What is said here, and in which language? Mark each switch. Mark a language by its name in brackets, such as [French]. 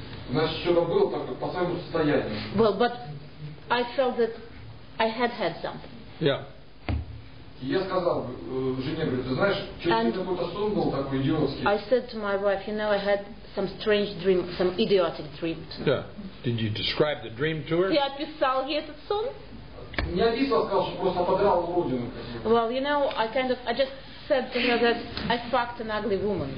[English] Well, but I felt that I had had something. Yeah. [Russian] Я сказал жене, говорю, ты знаешь, что это какой-то сон был такой идиотский. [English] I said to my wife, you know, I had some strange dream, some idiotic dream. Yeah. Did you describe the dream to her? [Russian] Я описал ей этот сон. Не описал, сказал, что просто подрал уродину. [English] Well, you know, I kind of, I just said to her that I fucked an ugly woman.